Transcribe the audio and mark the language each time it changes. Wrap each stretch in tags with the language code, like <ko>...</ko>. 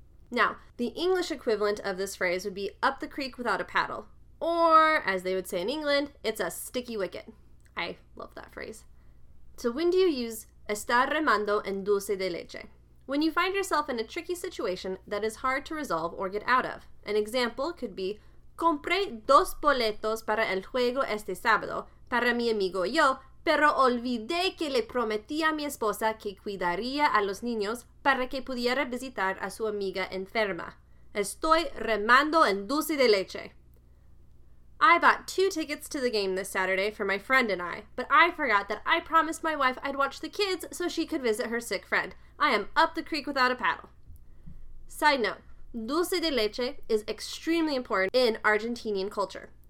<en>Now, the English equivalent of this phrase would be up the creek without a paddle. Or, as they would say in England, it's a sticky wicket. I love that phrase. So when do you use</en> <es>estar remando en dulce de leche?</es> <en>When you find yourself in a tricky situation that is hard to resolve or get out of. An example could be,</en> <es>compré dos boletos para el juego este sábado para mi amigo y yo, pero olvidé que le prometí a mi esposa que cuidaría a los niños para que pudiera visitar a su amiga enferma. Estoy remando en dulce de leche.</es> <en>I bought two tickets to the game this Saturday for my friend and I, but I forgot that I promised my wife I'd watch the kids so she could visit her sick friend. I am up the creek without a paddle. Side note, dulce de leche is extremely important in Argentinian culture.</en>